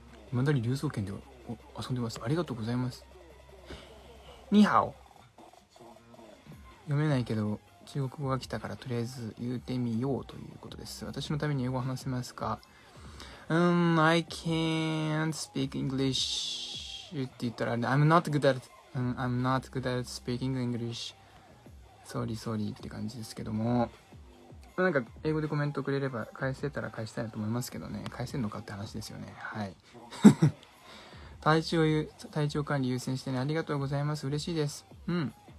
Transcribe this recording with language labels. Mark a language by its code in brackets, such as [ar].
[ja] 未だに流走拳で遊んでます。ありがとうございます。ニハオ。読めないけど中国語が来たからとりあえず言ってみようということです。私のために英語話せますか？ [en] I can't speak English [ja] って言ったら、 [en] I'm not good at speaking English. [ja] Sorry, sorry って感じですけども、なんか英語でコメントくれれば返せたら返したいなと思いますけどね。返せんのかって話ですよね。はい。体調管理優先してね。ありがとうございます。嬉しいです。うん。